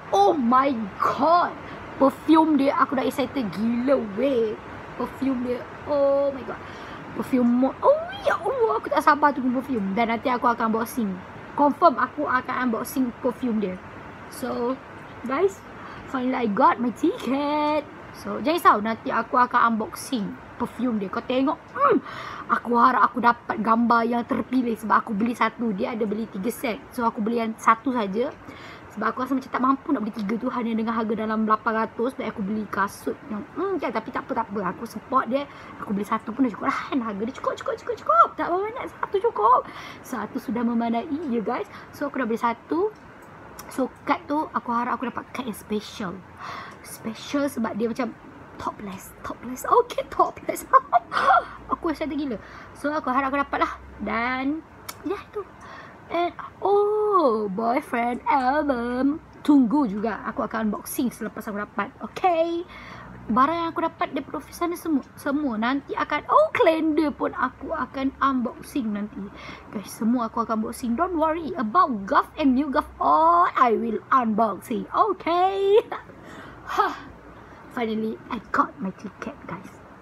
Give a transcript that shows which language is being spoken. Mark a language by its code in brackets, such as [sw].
[en] Oh my god. [ms] Perfume dia, aku dah excited gila weh. Perfume dia, [en] oh my god. [ms] Perfume, oh ya Allah, aku tak sabar tunggu perfume. Dan nanti aku akan unboxing. Confirm aku akan unboxing perfume dia. [en] So, guys, finally I got my ticket. [ms] So, jangan risau, nanti aku akan unboxing perfume dia. Kau tengok, aku harap aku dapat gambar yang terpilih. Sebab aku beli satu, dia ada beli 3 set. So, aku beli yang satu saja. Sebab aku rasa macam tak mampu nak beli 3 tu hanya dengan harga dalam RM800. Sebab aku beli kasut yang tapi tak apa. Aku support dia. Aku beli satu pun dah cukup lah. Harga dia cukup. Tak banyak, satu cukup. Satu sudah memadai, ya guys. So aku dah beli satu. So kad tu aku harap aku dapat kad yang special. Special sebab dia macam topless. Okay, topless. Aku rasa gila. So aku harap aku dapat lah. Dan ya, itu. And, boyfriend album. Tunggu juga. Aku akan unboxing selepas aku dapat. Okay. Barang yang aku dapat dari profesional semua. Nanti akan, calendar pun aku akan unboxing nanti. Guys, semua aku akan unboxing. [en] Don't worry about Gov and new Gov. All I will unboxing. Okay. Finally, I got my ticket, guys.